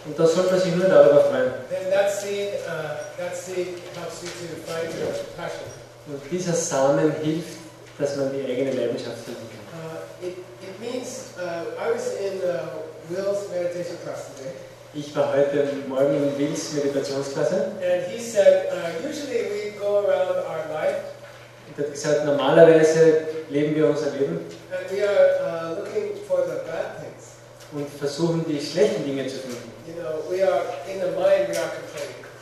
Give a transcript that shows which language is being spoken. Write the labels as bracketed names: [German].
[German] Und da sollte man sich nur darüber freuen. Und dieser Samen hilft, dass man die eigene Leidenschaft finden kann. Ich war heute Morgen in Wills Meditationsklasse. [English] And he said, usually we go around our life. [German] Er hat gesagt, normalerweise leben wir unser Leben. [English] And we are looking for the bad things. [German] Und versuchen die schlechten Dinge zu finden. [English] You know, we are in the mind we are complaining.